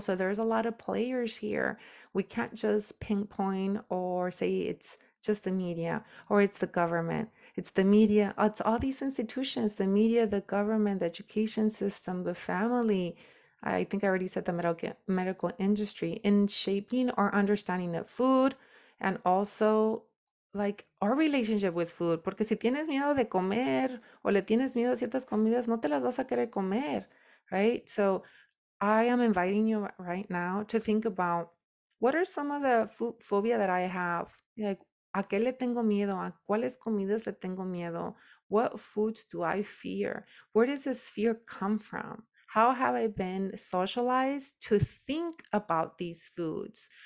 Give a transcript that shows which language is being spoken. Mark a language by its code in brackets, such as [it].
[en] So there's a lot of players here. We can't just pinpoint or say it's just the media or it's the government. It's the media, it's all these institutions, the media, the government, the education system, the family. I think I already said the medical industry in shaping our understanding of food and also like our relationship with food. [es] Porque si tienes miedo de comer o le tienes miedo a ciertas comidas, no te las vas a querer comer, right? [en] So I am inviting you right now to think about what are some of the food phobia that I have? [es] Like, ¿a qué le tengo miedo? ¿A cuáles comidas le tengo miedo? [en] What foods do I fear? Where does this fear come from? How have I been socialized to think about these foods?